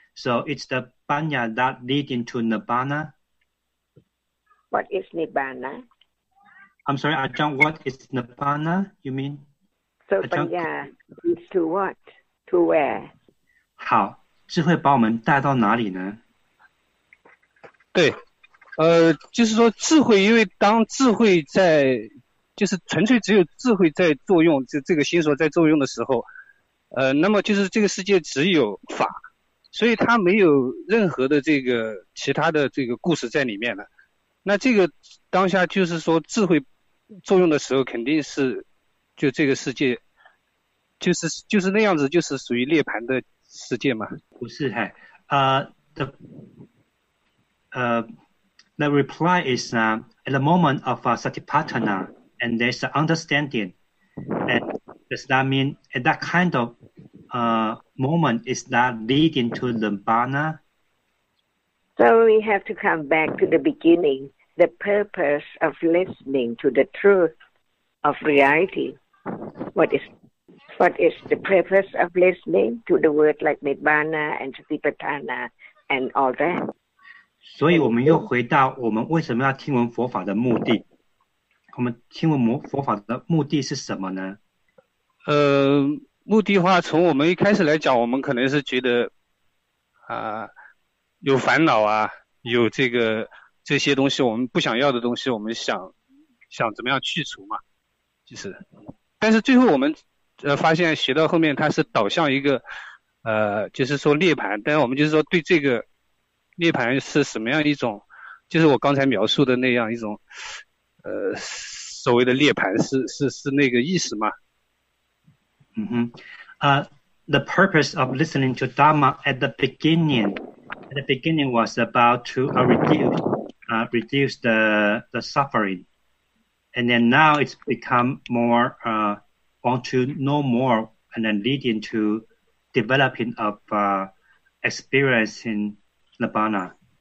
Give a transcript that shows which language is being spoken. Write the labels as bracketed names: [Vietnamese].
[English] So it's the Banya that leading to Nirvana. What is Nirvana? I'm sorry, Ajahn, what is Nirvana, you mean? So Banya leads to what? To where? [Chinese] 好，智慧把我们带到哪里呢？对，就是说智慧，因为当智慧在，就是纯粹只有智慧在作用，就这个心所在作用的时候，那么就是这个世界只有法，所以它没有任何的这个其他的这个故事在里面了。那这个当下就是说智慧作用的时候，肯定是就这个世界，就是那样子，就是属于涅槃的世界嘛？ [English] 不是，嗨，The reply is at the moment of Satipatthana, and there's understanding. And does that mean at that kind of moment is that leading to Nirvana? So we have to come back to the beginning, the purpose of listening to the truth of reality. What is the purpose of listening to the word like Nirvana and Satipatthana and all that? [Chinese] 所以我们又回到我们为什么要听闻佛法的目的，我们听闻佛法的目的是什么呢？目的话，从我们一开始来讲，我们可能是觉得有烦恼啊，有这个这些东西我们不想要的东西，我们想怎么样去除嘛，就是，但是最后我们发现学到后面它是导向一个就是说涅槃，但是我们就是说对这个涅槃是什么样一种，就是我刚才描述的那样一种所谓的涅槃是那个意思吗？ [English] The purpose of listening to Dharma at the beginning was about to reduce the suffering, and then now it's become more want to know more, and then leading to developing of experiencingNibbana.